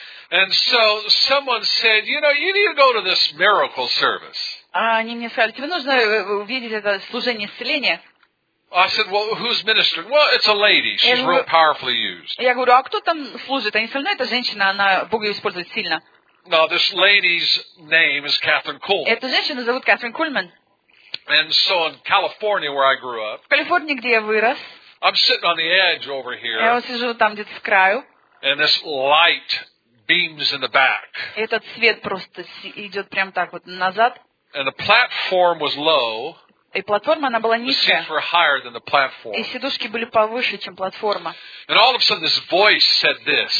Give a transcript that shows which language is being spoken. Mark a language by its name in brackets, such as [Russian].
[English] And so someone said, you know, you need to go to this miracle service. [Russian] Они мне сказали, тебе нужно увидеть это служение исцеления. [English] I said, well, who's ministering? Well, it's a lady. She's real powerfully used. [Russian] Я говорю, а кто там служит? Они сказали, ну это женщина, она Бог ее использует сильно. [English] Now this lady's name is Catherine Kuhlman. [Russian] Эту женщину зовут Кэтрин Кульман. [English] And so in California, where I grew up. [Russian] В Калифорнии, где я вырос. [English] I'm sitting on the edge over here. [Russian] Я вот сижу там где-то в краю. [English] And this light beams in the back. [Russian] Этот свет просто идет прям так вот назад. [English] And the platform was low. [Russian] И платформа она была низкая. [English] The seats were higher than the platform. [Russian] И сидушки были повыше, чем платформа. [English] And all of a sudden, this voice said this.